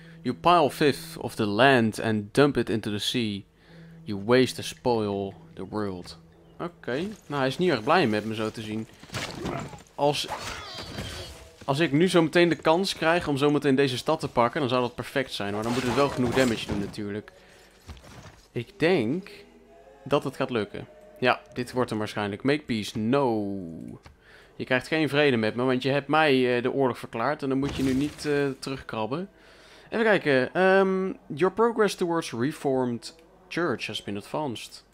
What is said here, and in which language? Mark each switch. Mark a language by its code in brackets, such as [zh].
[en] You pile fifth of the land and dump it into the sea. You waste and spoil the world. [nl] Oké, nou hij is niet erg blij met me zo te zien. Als ik nu zo meteen de kans krijg om zo meteen deze stad te pakken, dan zou dat perfect zijn. Maar dan moet het wel genoeg damage doen natuurlijk. Ik denk dat het gaat lukken. Ja, dit wordt hem waarschijnlijk. [en] Make peace. No. [nl] Je krijgt geen vrede met me, want je hebt mij de oorlog verklaard. En dan moet je nu niet terugkrabben. Even kijken. [en] Your progress towards reformed church has been advanced.